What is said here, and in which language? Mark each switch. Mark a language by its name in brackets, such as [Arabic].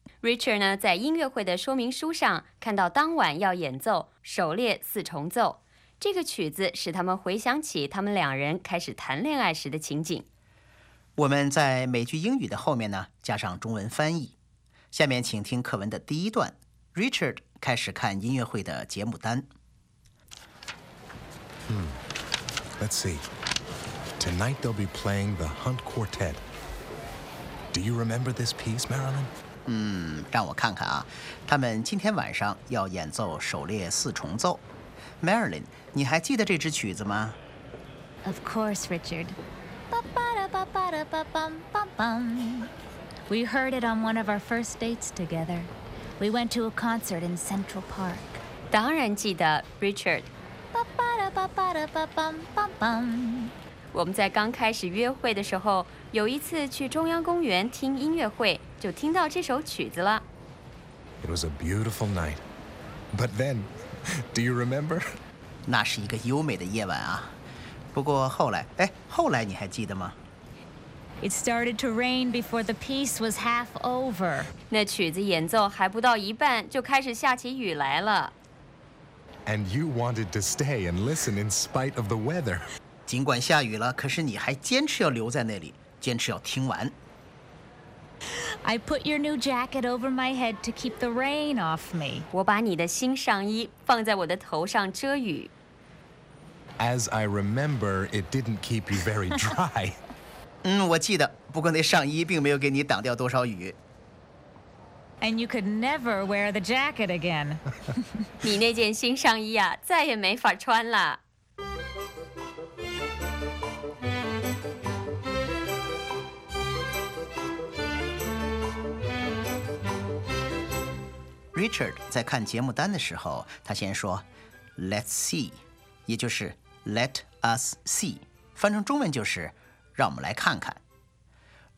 [Chinese] Richard 呢，在音乐会的说明书上看到当晚要演奏首列四重奏，这个曲子使他们回想起他们两人开始谈恋爱时的情景。我们在每句英语的后面呢，加上中文翻译。下面请听课文的第一段，Richard 开始看音乐会的节目单。 [English] Let's see. Tonight they'll be playing the Hunt Quartet. Do you remember this piece, Marilyn? [Chinese] 让我看看啊，他们今天晚上要演奏首列四重奏。 Marilyn, 你还记得这支曲子吗？ [English] Of course, Richard. Ba-ba-da-ba-ba-da-ba-bum-bum. We heard it on one of our first dates together. We went to a concert in Central Park. [Chinese] 当然记得 ,Richard. Ba-ba-da-ba-ba-da-ba-bum-bum. 我们在刚开始约会的时候，有一次去中央公园听音乐会，就听到这首曲子了。 [English] It was a beautiful night. But then, do you remember? [Chinese] 那是一个优美的夜晚啊。不过后来，哎，后来你还记得吗？ [English] It started to rain before the piece was half over. [Chinese] 那曲子演奏还不到一半就开始下起雨来了。 [English] And you wanted to stay and listen in spite of the weather. [Chinese] 尽管下雨了，可是你还坚持要留在那里，坚持要听完。 [English] I put your new jacket over my head to keep the rain off me. [Chinese] 我把你的新上衣放在我的头上遮雨。 [English] As I remember, it didn't keep you very dry. [Chinese] 嗯，我记得，不过那上衣并没有给你挡掉多少雨。 [English] And you could never wear the jacket again. [Chinese] 你那件新上衣啊，再也没法穿了。 Richard 在看节目单的时候，他先说 [English] "Let's see"， [Chinese] 也就是 [English] "Let us see"， [Chinese] 翻成中文就是"让我们来看看"。